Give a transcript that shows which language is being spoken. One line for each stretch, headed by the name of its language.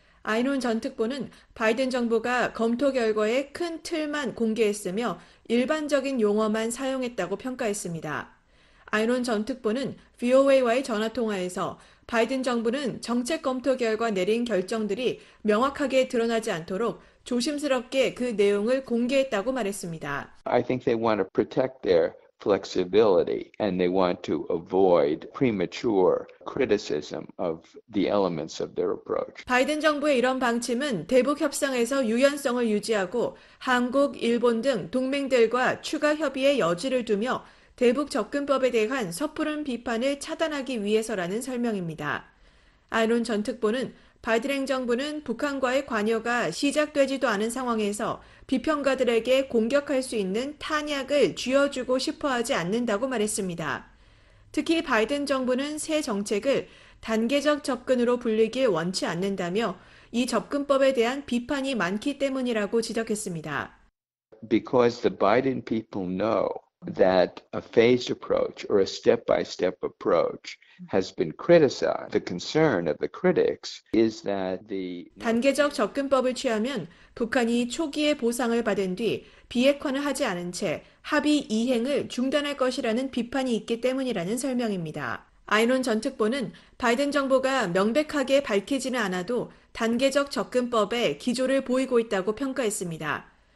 Korean: 아이논 전 특보는 바이든 정부가 검토 결과의 큰 틀만 공개했으며 일반적인 용어만 사용했다고 평가했습니다. 아이논 전 특보는 VOA와의 전화통화에서 바이든 정부는 정책 검토 결과 내린 결정들이 명확하게 드러나지 않도록 조심스럽게 그 내용을 공개했다고 말했습니다.
English: I think they want to protect their flexibility and they want to avoid premature criticism of the elements of their approach.
Korean: 바이든 정부의 이런 방침은 대북 협상에서 유연성을 유지하고 한국, 일본 등 동맹들과 추가 협의의 여지를 두며 대북 접근법에 대한 섣부른 비판을 차단하기 위해서라는 설명입니다. 아론 전 특보는 바이든 행정부는 북한과의 관여가 시작되지도 않은 상황에서 비평가들에게 공격할 수 있는 탄약을 쥐어주고 싶어하지 않는다고 말했습니다. 특히 바이든 정부는 새 정책을 단계적 접근으로 불리길 원치 않는다며 이 접근법에 대한 비판이 많기 때문이라고 지적했습니다.
English: Because the Biden people know that a phased approach or a step-by-step approach has been criticized. The concern of the critics is that the
Korean: 단계적 접근법을 취하면 북한이 초기에 보상을 받은 뒤 비핵화는 하지 않은 채 합의 이행을 중단할 것이라는 비판이 있기 때문이라는 설명입니다. 아이론 전 특보는 바이든 정부가 명백하게 밝히지는 않아도 단계적 접근법의 기조를 보이고 있다고 평가했습니다.